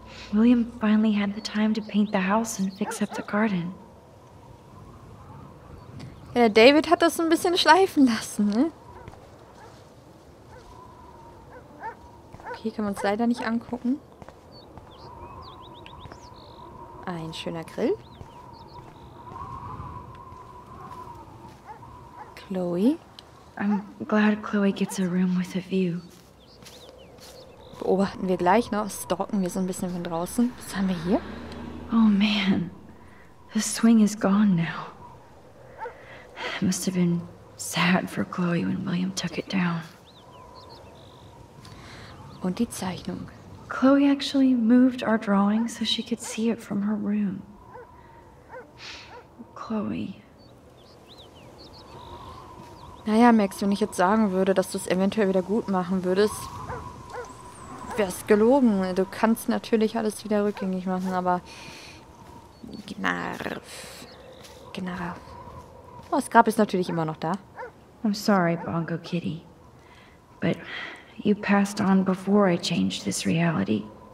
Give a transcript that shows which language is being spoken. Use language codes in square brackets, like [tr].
[en] William finally had the time to paint the house and fix up the garden. [de] Ja, David hat das ein bisschen schleifen lassen, ne? Okay, können wir uns leider nicht angucken. Ein schöner Grill. Chloe. [en] I'm glad Chloe gets a room with a view. [de] Beobachten wir gleich noch, stalken wir so ein bisschen von draußen. Was haben wir hier? [en] Oh man, the swing is gone now. It must have been sad for Chloe when William took it down. [de] Und die Zeichnung. [en] Chloe actually moved our drawing so she could see it from her room. [de] Chloe. Naja, Max, wenn ich jetzt sagen würde, dass du es eventuell wieder gut machen würdest, wär's gelogen. Du kannst natürlich alles wieder rückgängig machen, aber. Gnarf. Gnarf. Oh, das Grab ist natürlich immer noch da. [en] I'm sorry, Bongo Kitty. But you passed on before I changed this reality.